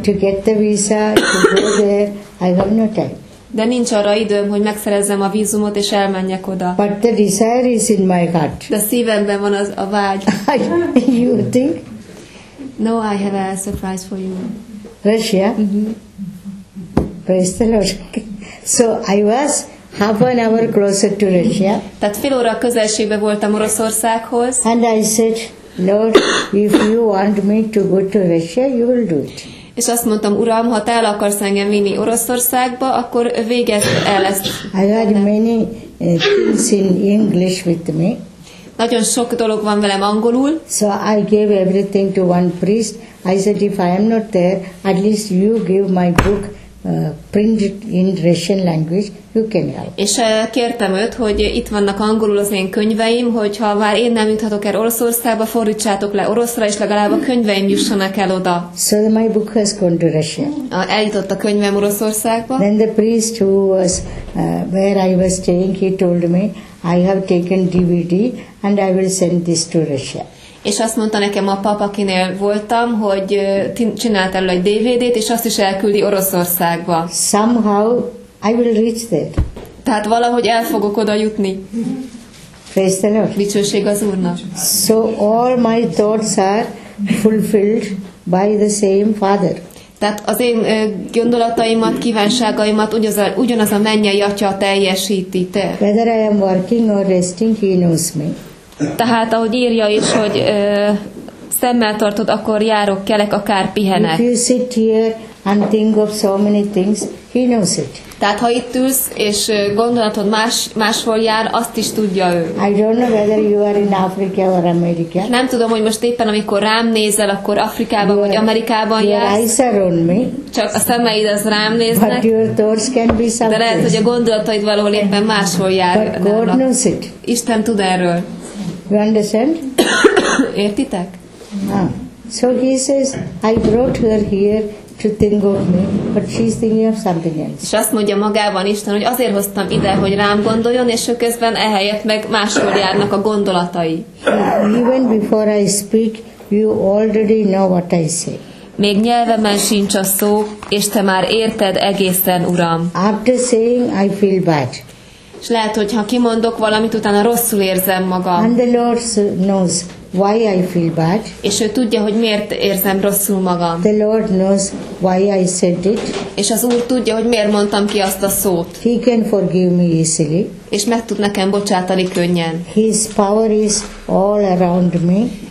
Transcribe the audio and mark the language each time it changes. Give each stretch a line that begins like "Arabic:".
English: To get the visa, to go there, I have no time.
Hungarian: De nincs arra időm, hogy megszerezzem a vízumot és elmenjek oda.
English: But the desire is in my heart.
Hungarian: De szívemben van az a vágy.
English: You think? No, I have a surprise for you. Russia? Mm-hmm. Praise the Lord. So I was half an hour closer to Russia.
Hungarian: Tehát fél óra közelségbe voltam Oroszországhoz.
English: And I said, Lord, if you want me to go to Russia, you will do it.
Hungarian: És azt mondtam, Uram, ha te el akarsz engem vinni Oroszországba, akkor véget el ezt.
English: I had many things in English with me.
Hungarian: Nagyon sok dolog van velem angolul.
English: So I gave everything to one priest. I said, if I am not there, at least you give my book printed in Russian language. You can help.
Hungarian: És kértem őt, hogy itt vannak angolul az én könyveim, hogyha már én nem juthatok el Oroszországba, fordítsátok le oroszra, és legalább a könyveim jussanak el oda.
English: So my book has gone to Russia.
Hungarian: Eljutott a könyvem Oroszországba.
English: Then the priest who was where I was staying, he told me, I have taken DVD and I will send this to Russia.
Hungarian: És azt mondta nekem a pap, akinél voltam, hogy csinált elő egy DVD-t, és azt is elküldi Oroszországba.
English: Somehow I will reach there.
Hungarian: Tehát valahogy el fogok oda jutni.
English: Praise the Lord.
Hungarian: Dicsőség az Úrnak.
English: So all my thoughts are fulfilled by the same Father.
Hungarian: Tehát az én gondolataimat, kívánságaimat ugyanaz a mennyei atya teljesíti.
English: Whether I am working or resting, he knows me.
Hungarian: Tehát ahogy írja is, hogy szemmel tartod, akkor járok, kelek, akár pihenek.
English: If you sit here and think of so many things, he knows it.
Hungarian: Tehát ha itt ülsz, és gondolatod máshol jár, azt is tudja ő.
English: I don't know whether you are in Africa or America.
Hungarian: Nem tudom, hogy most éppen, amikor rám nézel, akkor Afrikában vagy Amerikában jársz.
English: Your eyes are on me.
Hungarian: Csak a szemeid az rám néznek.
English: But your thoughts can be something.
Hungarian: De lehet, hogy a gondolataid valahol éppen máshol jár.
English: But God knows it.
Hungarian: Isten tud erről.
English: You understand?
Hungarian: Értitek? Ah.
English: So he says, I brought her here to think of me, but she's thinking of something else.
Hungarian: És azt mondja magában Isten, hogy azért hoztam ide, hogy rám gondoljon, és ő közben ehelyett meg máshol járnak a gondolatai.
English: Even before I speak, you already know what I say.
Hungarian: Még nyelvemen sincs a szó, és te már érted egészen, Uram.
English: After saying, I feel bad.
Hungarian: És lehet, hogy ha kimondok valamit, utána rosszul érzem magam.
English: And the Lord knows why I feel bad.
Hungarian: És ő tudja, hogy miért érzem rosszul magam.
English: The Lord knows why I said it.
Hungarian: És az Úr tudja, hogy miért mondtam ki azt a szót.
English: He can forgive me easily.
Hungarian: És meg tud nekem bocsátani könnyen.
English: His power is all around me.